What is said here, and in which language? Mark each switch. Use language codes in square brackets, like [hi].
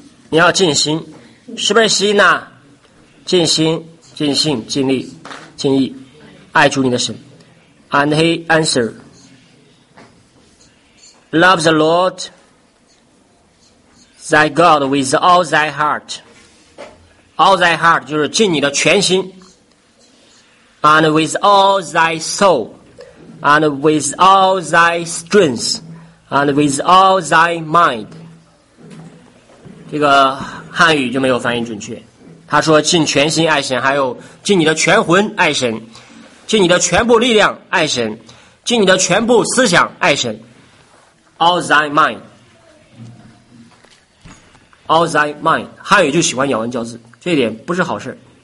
[zh] 你要尽心，是不是希纳？尽心、尽性、尽力、尽意，爱主你的神。 [en] And he answered, "Love the Lord thy God with all thy heart." All thy heart [zh] 就是尽你的全心。 [en] And with all thy soul, and with all thy strength, and with all thy mind. [zh] 这个汉语就没有翻译准确，他说尽全心爱神，还有尽你的全魂爱神，尽你的全部力量爱神，尽你的全部思想爱神。 [en] All thy mind, all thy mind, [zh] 汉语就喜欢咬文嚼字，这一点不是好事。